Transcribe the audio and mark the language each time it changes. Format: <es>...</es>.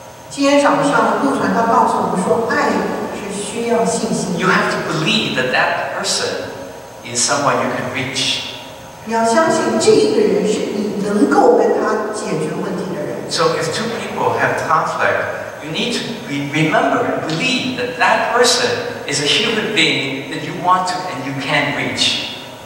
<zh>今天早上陆传道告诉我们说，爱是需要信心。</zh> <en>You have to believe that that person is someone you can reach.</en> <zh>你要相信这一个人是你能够跟他解决问题的人。</zh> <en>So if two people have conflict, you need to remember and believe that that person is a human being that you want to and you can reach.</en>